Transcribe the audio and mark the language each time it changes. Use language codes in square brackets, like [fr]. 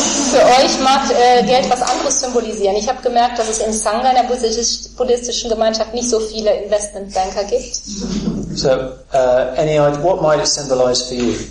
[de] Für euch mag Geld was anderes symbolisieren. Ich habe gemerkt, dass es im Sangha, in der buddhistischen Gemeinschaft, nicht so viele Investmentbanker gibt. [en] So, any idea, what might it symbolize for you?